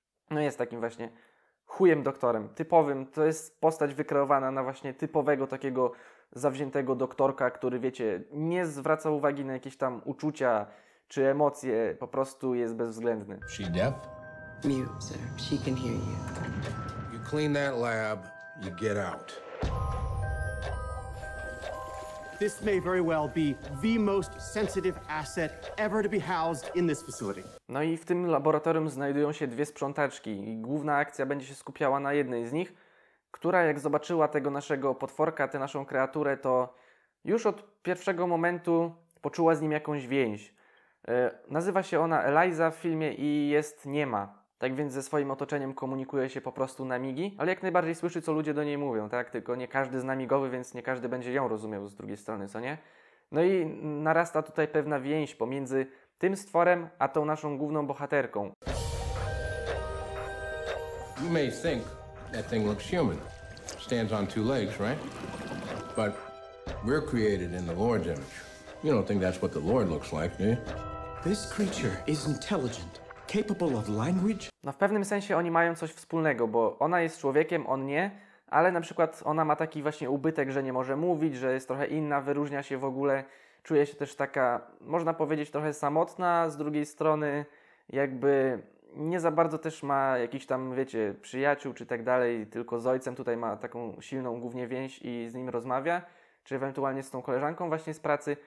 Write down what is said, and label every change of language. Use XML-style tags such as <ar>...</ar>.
<pl>No jest takim właśnie chujem doktorem, typowym. To jest postać wykreowana na właśnie typowego takiego zawziętego doktorka, który, wiecie, nie zwraca uwagi na jakieś tam uczucia czy emocje, po prostu jest bezwzględny.</pl> <en>She deaf? Mute, sir. She can hear you. You clean that lab, you get out. This may very well be the most sensitive asset ever to be housed in this facility.</en> <pl>No i w tym laboratorium znajdują się dwie sprzątaczki i główna akcja będzie się skupiała na jednej z nich, która jak zobaczyła tego naszego potworka, tę naszą kreaturę, to już od pierwszego momentu poczuła z nim jakąś więź. Nazywa się ona Eliza w filmie i jest niema. Tak więc ze swoim otoczeniem komunikuje się po prostu na migi, ale jak najbardziej słyszy, co ludzie do niej mówią, tak? Tylko nie każdy zna migowy, więc nie każdy będzie ją rozumiał z drugiej strony, co nie? No i narasta tutaj pewna więź pomiędzy tym stworem, a tą naszą główną bohaterką.</pl> <en>You may think that thing looks human. Stands on two legs, right? But we're created in the Lord's image. You don't think that's what the Lord looks like, do you? This creature is intelligent. Capable of language?</en> <pl>No w pewnym sensie oni mają coś wspólnego, bo ona jest człowiekiem, on nie, ale na przykład ona ma taki właśnie ubytek, że nie może mówić, że jest trochę inna, wyróżnia się w ogóle, czuje się też taka, można powiedzieć, trochę samotna, z drugiej strony jakby nie za bardzo też ma jakichś tam, wiecie, przyjaciół czy tak dalej, tylko z ojcem tutaj ma taką silną głównie więź i z nim rozmawia, czy ewentualnie z tą koleżanką właśnie z pracy.</pl>